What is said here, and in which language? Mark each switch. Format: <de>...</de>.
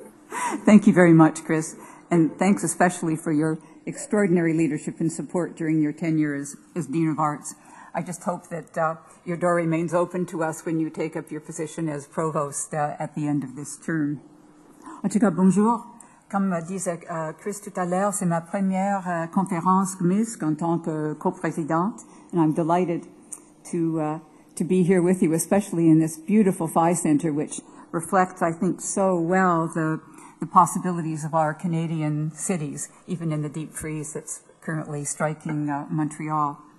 <en>Thank you very much, Chris. And thanks especially for your extraordinary leadership and support during your tenure as Dean of Arts. I just hope that your door remains open to us when you take up your position as provost at the end of this term.</en> <fr>En tout cas, bonjour. Comme disait Chris tout à l'heure, c'est ma première conférence MISC en tant que co-présidente.</fr> <en>And I'm delighted to be here with you, especially in this beautiful Phi Center, which reflects, I think, so well the possibilities of our Canadian cities, even in the deep freeze that's currently striking Montreal.</en>